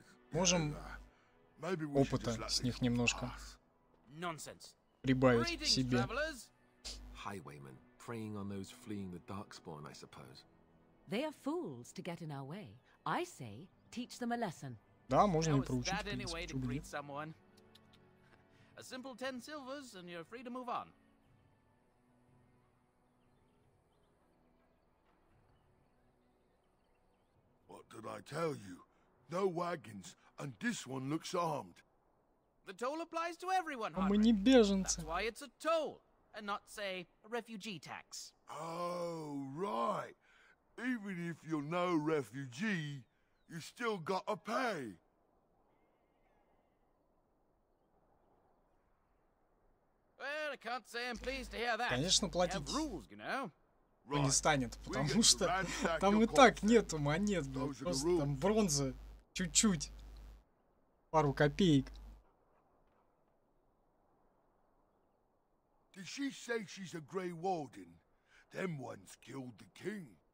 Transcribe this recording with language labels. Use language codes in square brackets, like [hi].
[ru] Можем опыта с них немножко прибавить себе. [en] Highwaymen, praying on those fleeing the darkspawn, I suppose. They are fools to get in our way. I say, teach them a lesson. [ru] Да, можно и проучить, в принципе, чего бы нет. [en] A simple 10 silvers, and you're free to move on. What did I tell you? No wagons, and this one looks armed. The toll applies to everyone, [ru] Hunter. Мы не беженцы. [en] That's why it's a toll, and not, say, a refugee tax. Oh, right. Even if you're no refugee, you still gotta pay. Well, I can't say I'm pleased to hear that. [ru] Конечно, платить. [en] We have rules, you know. [ru] Не станет, потому что там и так нету монет, блин, просто там бронзы, чуть-чуть, пару копеек. [en] Did she say she's a Grey Warden? Them ones killed the king.